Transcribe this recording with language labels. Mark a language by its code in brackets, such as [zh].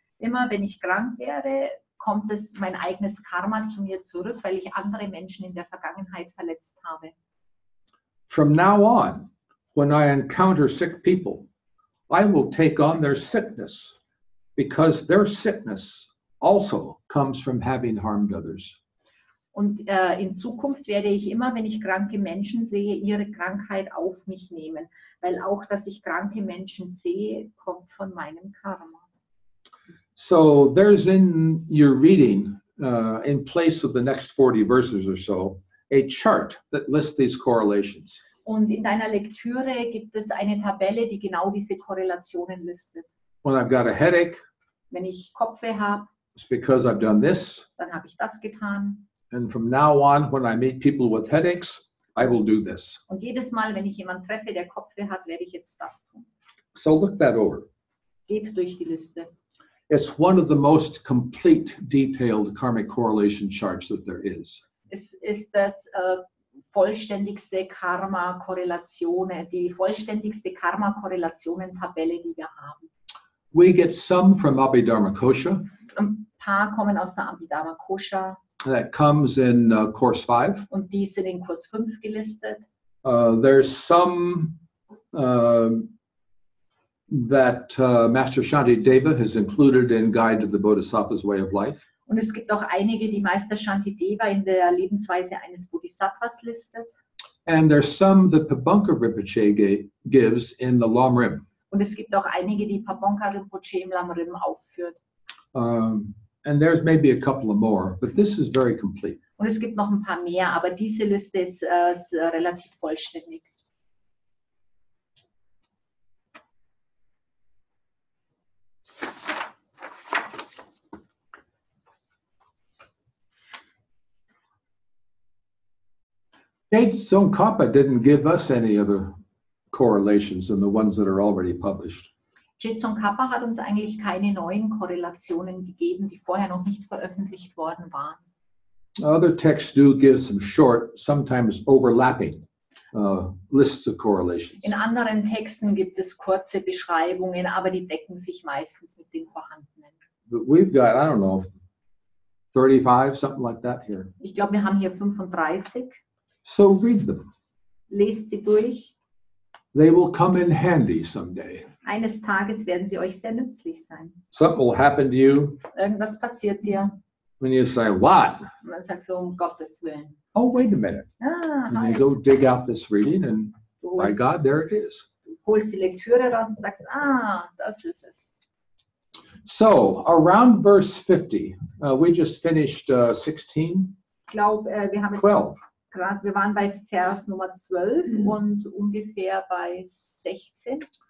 [de] Immer wenn ich krank werde, kommt es mein eigenes Karma zu mir zurück, weil ich andere Menschen in der Vergangenheit verletzt habe. [en] From now on, when I encounter sick people, I will take on their sickness, because their sickness also comes from having harmed others. [de] Und in Zukunft werde ich immer, wenn ich kranke Menschen sehe, ihre Krankheit auf mich nehmen, weil auch, dass ich kranke Menschen sehe, kommt von meinem Karma. [en] So there's in your reading, in place of the next 40 verses or so, a chart that lists these correlations. [de] Und in deiner Lektüre gibt es eine Tabelle, die genau diese Korrelationen listet. [en] When I've got a headache, [de] wenn ich Kopfweh habe, [en] it's because I've done this. [de] Dann habe ich das getan. [en] And from now on, when I meet people with headaches, I will do this. [de] Und jedes Mal, wenn ich jemanden treffe, der Kopfweh hat, werde ich jetzt das tun. [en] So look that over. [de] Geht durch die Liste. [en] It's one of the most complete, detailed karmic correlation charts that there is. [de] Es ist das vollständigste Karma-Korrelationen, die vollständigste Karma-Korrelationen-Tabelle, die wir haben. [en] We get some from Abhidharma Kosha. [de] Ein paar kommen aus der Abhidharma Kosha. [en] That comes in Course 5. [de] Und die sind in Kurs 5 gelistet. [en] There's some that Master Shantideva has included in Guide to the Bodhisattva's Way of Life. [de] Und es gibt auch einige, die Meister Shantideva in der Lebensweise eines Bodhisattvas listet. [en] And there's some that Pabongka Rinpoche gives in the Lam Rim. [de] Und es gibt auch einige, die Pabongka Rinpoche im Lam Rim aufführt. [en] And there's maybe a couple of more, but this is very complete. [de] Und es gibt noch ein paar mehr, aber diese Liste ist relativ vollständig. [en] Tsongkhapa didn't give us any other correlations than the ones that are already published. [de] Tsongkhapa hat uns eigentlich keine neuen Korrelationen gegeben, die vorher noch nicht veröffentlicht worden waren. [en] Other texts do give some short, sometimes overlapping lists of correlations. [de] In anderen Texten gibt es kurze Beschreibungen, aber die decken sich meistens mit den vorhandenen. [en] But we've got, I don't know, 35, something like that here. [de] Ich glaube, wir haben hier 35. [en] So read them. [de] Lest sie durch. [en] They will come in handy someday. [de] Eines Tages werden sie euch sehr nützlich sein. [en] Something will happen to you. [de] Irgendwas passiert dir. [en] When you say, what? [de] Und dann sagst du, um Gottes Willen. [en] Oh, wait a minute. Ah, and you go dig out this reading and, by God, there it is. [de] Du holst die Lektüre raus und sagst, ah, das ist es. [en] So, around verse 50, we just finished 16. [de] Ich glaube, wir haben 12. Jetzt gerade, wir waren bei Vers Nummer 12 und ungefähr bei 16.